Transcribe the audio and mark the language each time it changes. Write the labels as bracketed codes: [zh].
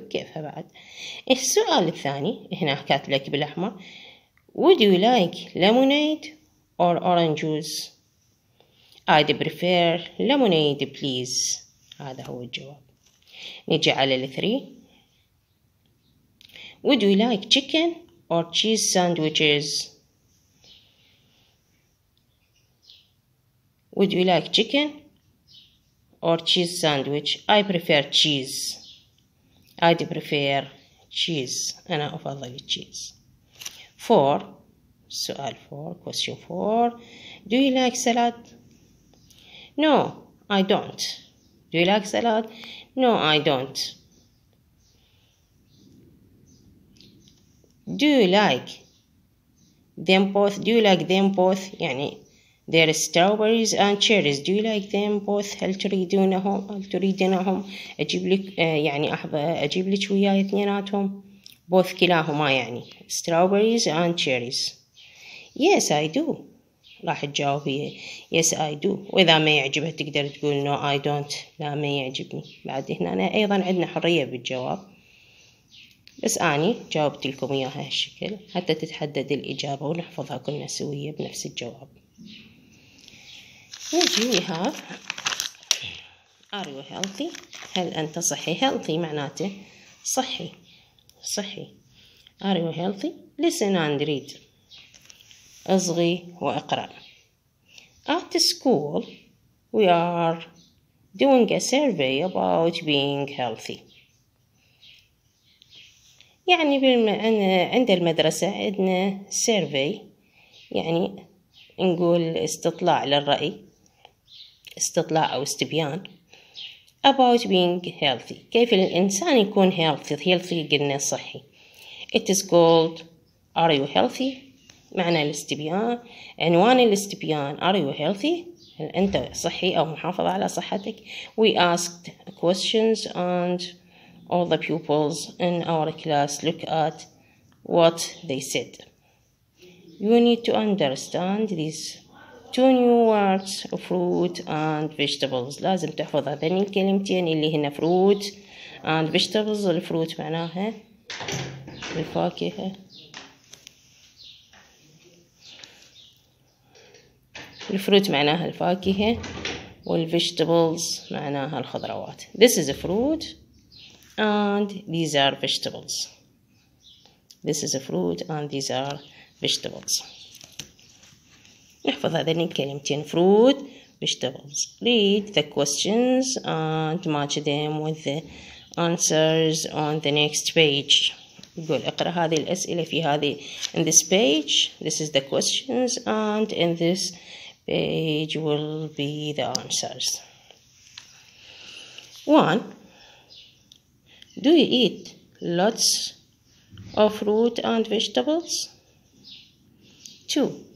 [ar] كيفها بعد؟ السؤال الثاني هنا كاتب لك بالأحمر [en] Would you like lemonade or orange juice? I'd prefer lemonade, please. [ar] هذا هو الجواب. نجي على الثري [en] Would you like chicken or cheese sandwiches? Would you like chicken or cheese sandwich? I prefer cheese. I'd prefer cheese. [ar] أنا أفضل cheese. [en] 4. [ar] سؤال 4. [en] Question 4. Do you like salad? No, I don't. Do you like salad? No, I don't. Do you like them both? Do you like them both? يعني there are strawberries and cherries. Do you like them both? [ar] هل تريدونهم؟ هل تريدينهم؟ أجيب لك يعني أجيب لك وياي اثنيناتهم. [en] Both [ar] كلاهما يعني [en] strawberries and cherries. Yes, I do. [ar] راح تجاوب هي [en] Yes, I do. [ar] وإذا ما يعجبها تقدر تقول [en] No, I don't. [ar] لا ما يعجبني. بعد هنا أنا أيضا عندنا حرية بالجواب. بس أني جاوبت لكم إياها هالشكل حتى تتحدد الإجابة ونحفظها كلنا سوية بنفس الجواب. [en] نجي we have Are you healthy? [ar] هل أنت صحي؟ healthy معناته صحي صحي. [en] Are you healthy? Listen and read. [ar] أصغي وأقرأ. [en] At school we are doing a survey about being healthy. [ar] يعني عند المدرسة عندنا سيرفي يعني نقول استطلاع للرأي استطلاع أو استبيان [en] about being healthy [ar] كيف الإنسان يكون healthy healthy قلنا صحي [en] it is called are you healthy [ar] معنى الاستبيان عنوان الاستبيان are you healthy هل أنت صحي أو محافظ على صحتك؟ [en] We asked questions and all the pupils in our class look at what they said. You need to understand these two new words, fruit and vegetables. [ar] لازم تحفظ هذين الكلمتين اللي هنا [en] fruit and vegetables. [ar] الفروت معناها الفاكهة. الفروت معناها الفاكهة والفيجيتابلز معناها الخضروات. [en] This is a fruit and these are vegetables. This is a fruit and these are vegetables. [ar] نحفظ هذين الكلمتين [en] fruit vegetables. Read the questions and match them with the answers on the next page. [ar] يقول اقرأ هذه الأسئلة في هذه [en] in this page. This is the questions and in this page will be the answers. 1. Do you eat lots of fruit and vegetables? 2.